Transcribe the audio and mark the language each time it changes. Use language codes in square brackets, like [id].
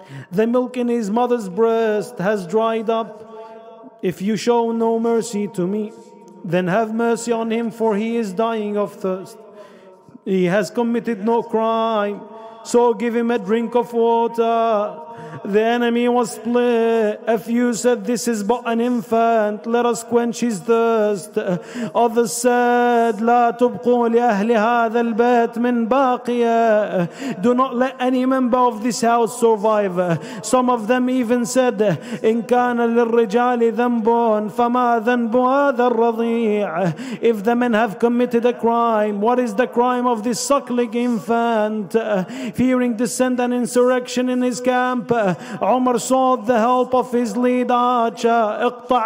[en] The milk in his mother's breast has dried up. If you show no mercy to me, then have mercy on him, for he is dying of thirst. He has committed no crime, so give him a drink of water. The enemy was split. A few said, this is but an infant, let us quench his thirst. Others said, [ar] لا تبقوا لأهل هذا البيت من باقية. [en] Do not let any member of this house survive. Some of them even said, [ar] إن كان للرجال ذنب فما ذنب هذا الرضيع. [en] If the men have committed a crime, what is the crime of this suckling infant? Fearing to send an insurrection in his camp, Umar sought the help of his lead archer.